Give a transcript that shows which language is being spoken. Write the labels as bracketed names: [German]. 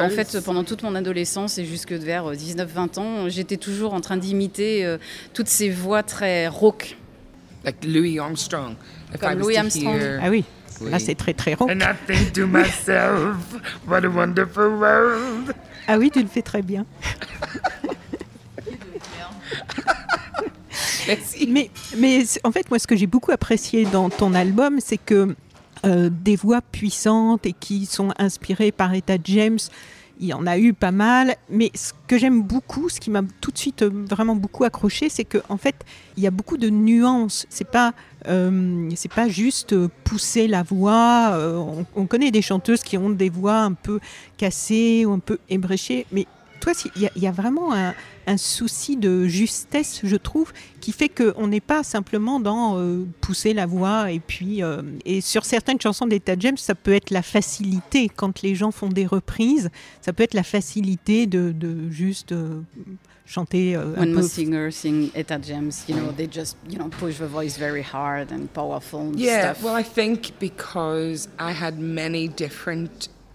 [French] En fait, pendant toute mon adolescence et jusque vers 19-20 ans, j'étais toujours en train d'imiter toutes ces voix très rauques. [English] Like Louis Armstrong. [French] Comme Louis Armstrong. [English] Hear... [French] Ah oui. Oui, là c'est très très rauque. [English] And I think to myself, what a wonderful world. [French] Ah oui, tu le fais très bien. Mais en fait, moi, ce que j'ai beaucoup apprécié dans ton album, c'est que des voix puissantes et qui sont inspirées par Etta James, il y en a eu pas mal. Mais ce que j'aime beaucoup, ce qui m'a tout de suite vraiment beaucoup accroché, c'est que en fait, il y a beaucoup de nuances. C'est pas juste pousser la voix. On connaît des chanteuses qui ont des voix un peu cassées ou un peu ébréchées, mais toi, il y a vraiment un souci de justesse, je trouve, qui fait qu'on n'est pas simplement dans pousser la voix. Et puis, et sur certaines chansons d'Etta James, ça peut être la facilité. Quand les gens font des reprises, ça peut être la facilité de juste chanter un [English] When [French] peu. [English] When most singers sing Etta James, you know, they just, you know, push the voice very hard and powerful and yeah, stuff. Yeah, well, I think because I had many different...